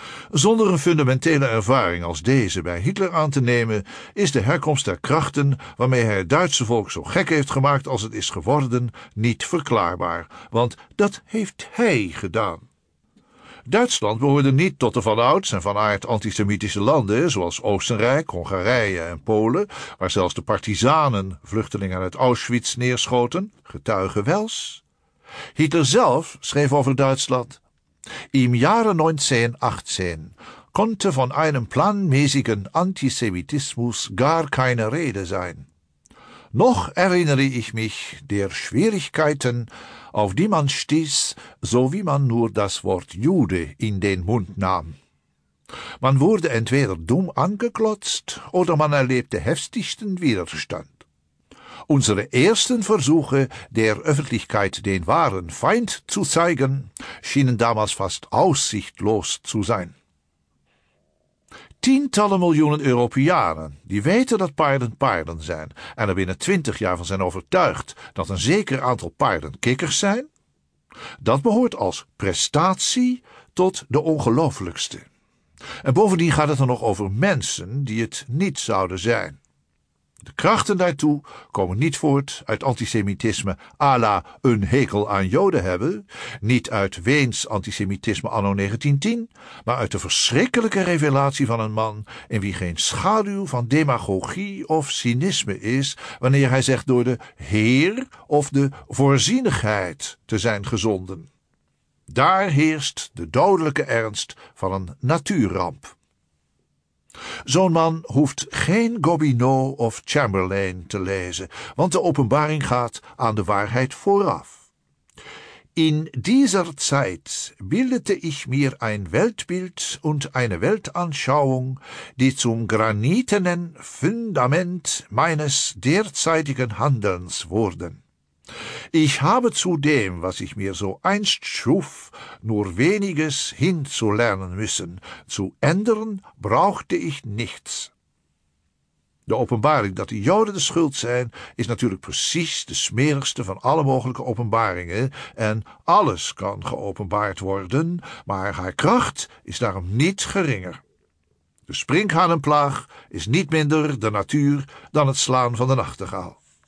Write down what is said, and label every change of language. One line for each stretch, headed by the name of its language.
Dutch: Zonder een fundamentele ervaring als deze bij Hitler aan te nemen, is de herkomst der krachten waarmee hij het Duitse volk zo gek heeft gemaakt als het is geworden, niet verklaarbaar, want dat heeft hij gedaan. Duitsland behoorde niet tot de vanouds en vanaard antisemitische landen zoals Oostenrijk, Hongarije en Polen, waar zelfs de partizanen vluchtelingen uit Auschwitz neerschoten, getuige wels. Hitler zelf schreef over Duitsland:
German: Im Jahre 1918 konnte von einem planmäßigen Antisemitismus gar keine Rede sein. Noch erinnere ich mich der Schwierigkeiten, auf die man stieß, so wie man nur das Wort Jude in den Mund nahm. Man wurde entweder dumm angeklotzt oder man erlebte heftigsten Widerstand. Unsere ersten Versuche, der Öffentlichkeit den wahren Feind zu zeigen, schienen damals fast aussichtlos zu sein.
Dutch: Tientallen miljoenen Europeanen die weten dat paarden paarden zijn en er binnen 20 jaar van zijn overtuigd dat een zeker aantal paarden kikkers zijn, dat behoort als prestatie tot de ongelooflijkste. En bovendien gaat het dan nog over mensen die het niet zouden zijn. De krachten daartoe komen niet voort uit antisemitisme à la een hekel aan Joden hebben, niet uit Weens antisemitisme anno 1910, maar uit de verschrikkelijke revelatie van een man in wie geen schaduw van demagogie of cynisme is, wanneer hij zegt door de Heer of de voorzienigheid te zijn gezonden. Daar heerst de dodelijke ernst van een natuurramp. Zo'n man hoeft geen Gobineau of Chamberlain te lezen, want de openbaring gaat aan de waarheid vooraf.
German: In dieser Zeit bildete ich mir ein Weltbild und eine Weltanschauung, die zum granitenen Fundament meines derzeitigen Handelns wurden. Ich habe zu dem, was ich mir so einst schuf, nur weniges hinzulernen müssen. Zu ändern brauchte ich nichts.
Dutch: De openbaring dat de Joden de schuld zijn, is natuurlijk precies de smerigste van alle mogelijke openbaringen, en alles kan geopenbaard worden, maar haar kracht is daarom niet geringer. De sprinkhanenplaag is niet minder de natuur dan het slaan van de nachtegaal.